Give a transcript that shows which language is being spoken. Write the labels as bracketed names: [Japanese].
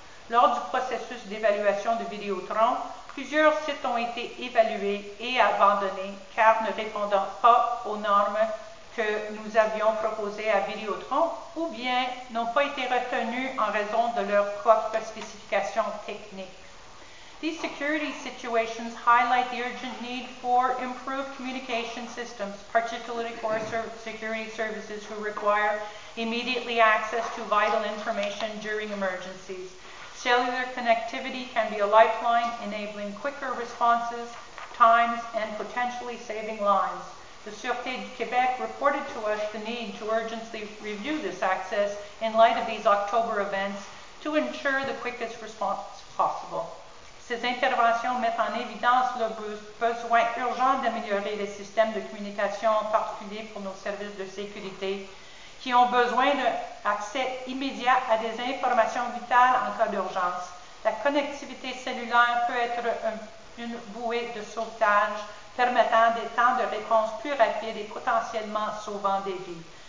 [French] Lors du processus d'évaluation de Vidéotron, plusieurs sites ont été évalués et abandonnés car ne répondant pas aux normes que nous avions proposées à Vidéotron ou bien n'ont pas été retenus en raison de leurs propres spécifications techniques. [English] These security situations highlight the urgent need for improved communication systems, particularly for security services who require immediately access to vital information during emergencies. Cellular connectivity can be a lifeline, enabling quicker responses, times, and potentially saving lives. The Sûreté du Québec reported to us the need to urgently review this access in light of these October events to ensure the quickest response possible. [French] Ces interventions mettent en évidence le besoin urgent d'améliorer les systèmes de communication, en particulier pour nos services de sécurité, qui ont besoin d'accès immédiat à des informations vitales en cas d'urgence. La connectivité cellulaire peut être une bouée de sauvetage permettant des temps de réponse plus rapides et potentiellement sauvant des vies.